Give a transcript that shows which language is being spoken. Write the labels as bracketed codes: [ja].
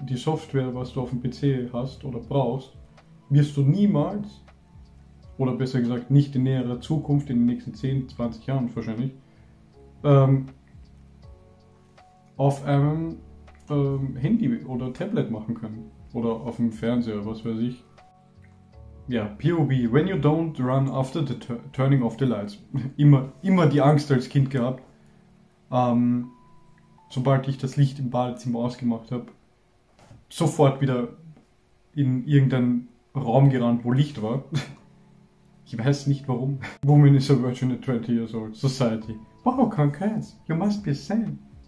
[de] Die Software, was du auf dem PC hast oder brauchst, wirst du niemals oder besser gesagt nicht in näherer Zukunft, in den nächsten 10, 20 Jahren wahrscheinlich, auf einem Handy oder Tablet machen können. Oder auf dem Fernseher, was weiß ich. [en] Ja, POV, when you don't run after the turning of the lights. [de] Immer die Angst als Kind gehabt. Sobald ich das Licht im Badezimmer ausgemacht habe, sofort wieder in irgendeinen Raum gerannt, wo Licht war. Ich weiß nicht warum. [en] Woman is a virgin at 20 years old. Society. Wow, congrats. You must be a saint.